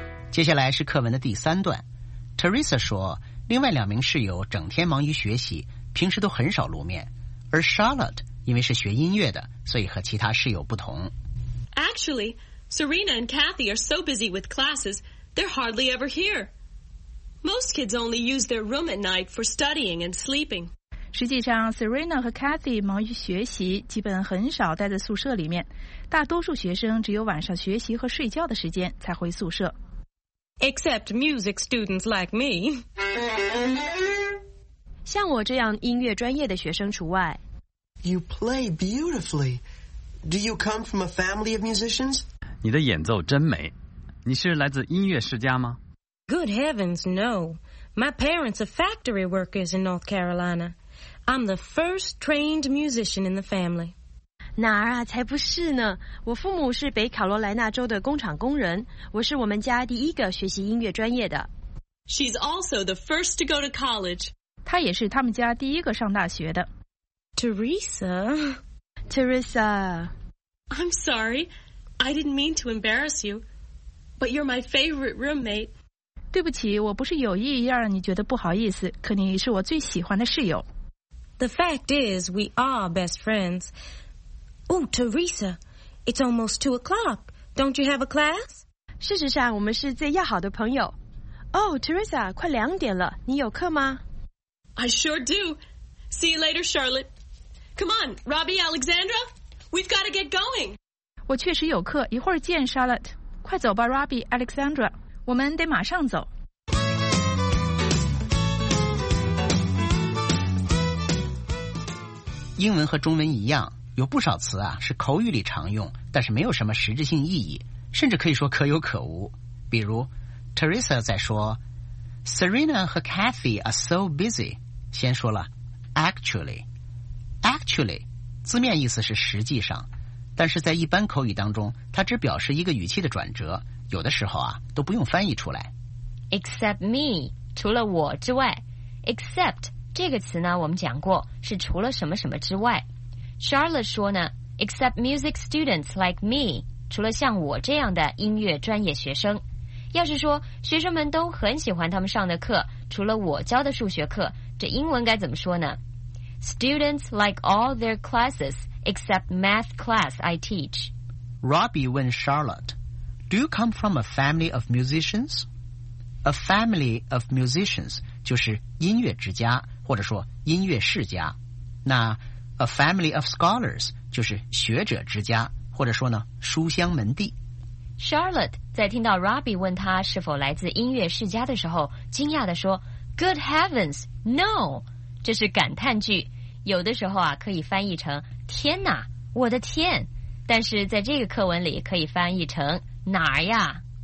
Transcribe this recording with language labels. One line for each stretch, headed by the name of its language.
Chinese: 接下来是课文的第三段。Teresa 说，另外两名室友整天忙于学习，平时都很少露面，而 Charlotte 因为是学音乐的，所以和其他室友不同。
English: Actually,Serena and Kathy are so busy with classes, they're hardly ever here. Most kids only use their room at night for studying and sleeping.
Chinese: 实际上 ,Serena 和 Kathy 忙于学习，基本很少待在宿舍里面。大多数学生只有晚上学习和睡觉的时间才回宿舍。
English: Except music students like me.
Chinese: 像我这样音乐专业的学生除外。
English: You play beautifully. Do you come from a family of musicians?
Chinese: 你的演奏真美，你是来自音乐世家吗
English: ？Good heavens, no! My parents are factory workers in North Carolina. I'm the first trained musician in the family.
Chinese: 哪儿啊，才不是呢！我父母是北卡罗来纳州的工厂工人，我是我们家第一个学习音乐专业的。
English: She's also the first to go to college.
Chinese: 她也是他们家第一个上大学的。
English: Teresa. Teresa. I'm sorry. I didn't mean to embarrass you. But you're my favorite roommate.
Chinese: 对不起，我不是有意要让你觉得不好意思，可你是我最喜欢的室友。
English: The fact is, we are best friends. Oh, Teresa, it's almost 2 o'clock. Don't you have a class?
Chinese: 事实上，我们是最要好的朋友。Oh, Teresa, 快两点了，你有课吗？
English: I sure do. See you later, Charlotte. Come on, Robbie, Alexandra, we've got to get going.
Chinese: 我确实有课，一会儿见 ，Charlotte. 快走吧 ，Robbie, Alexandra. 我们得马上走。英文和中文一样，有不少词啊是口语里常用，但是没有什么实质性意义，甚至可以说可有可无。比如 Teresa 在说 Serena 和 Kathy
English: are so busy，
Chinese: 先说了 actually 字面意思是实际上，但是在一般口语当中，它只表示一个语气的转折，有的时候啊都不用翻译出来。
English: except me，
Chinese: 除了我之外。except这个词呢，我们讲过是除了什么什么之外。 Charlotte 说呢，
English: except music students like me，
Chinese: 除了像我这样的音乐专业学生。要是说学生们都很喜欢他们上的课，除了我教的数学课，这英文该怎么说呢？
English: Students like all their classes except math class I teach. Robbie
Chinese: 问
English: Charlotte， Do you come from a family of musicians？ A family of musicians
Chinese: 就是音乐之家，或者说音乐世家。那
English: a family of scholars
Chinese: 就是学者之家，或者说呢书香门第。 Charlotte 在听到 Robbie 问他是否来自音乐世家的时候，惊讶地说
English: Good heavens, no，
Chinese: 这是感叹句，有的时候啊可以翻译成天哪，我的天，但是在这个课文里可以翻译成哪儿呀。